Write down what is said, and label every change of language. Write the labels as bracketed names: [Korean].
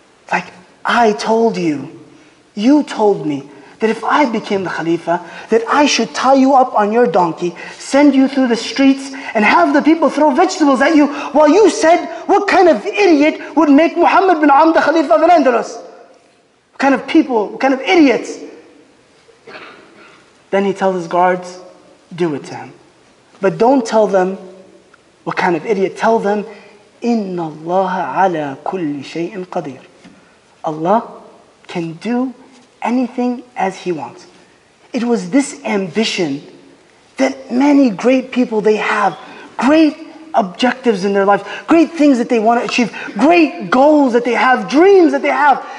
[English] Like, I told you. You told me that if I became the Khalifa, that I should tie you up on your donkey, send you through the streets, and have the people throw vegetables at you while you said, what kind of idiot would make Muhammad bin Amr the Khalifa of Al-Andalus? What kind of people? What kind of idiots? Then he tells his guards, do it to him. But don't tell them, what kind of idiot? Tell them, [Arabic] إِنَّ اللَّهَ عَلَى كُلِّ شَيْءٍ قَدِيرٍ. [English] Allah can do anything as He wants. It was this ambition that many great people, they have great objectives in their life, great things that they want to achieve, great goals that they have, dreams that they have.